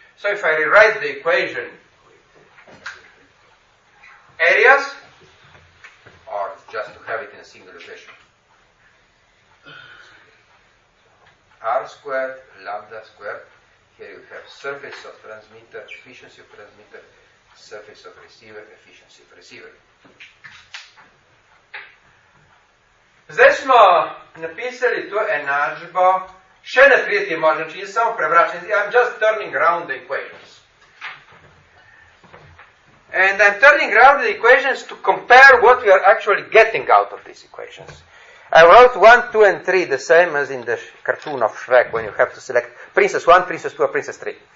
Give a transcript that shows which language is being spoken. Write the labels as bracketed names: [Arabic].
[English] So if I rewrite the equation areas, or just to have it in a single equation, r squared lambda squared, here you have surface of transmitter, efficiency of transmitter, surface of receiver, efficiency of receiver. [Slovenian] Zdaj smo napisali to enačbo še na tretji možno, če jaz samo prevračam. [English] I'm just turning around the equations. And I'm turning around the equations to compare what we are actually getting out of these equations. I wrote 1, 2 and 3 the same as in the cartoon of Shrek when you have to select princess 1, princess 2 or princess 3.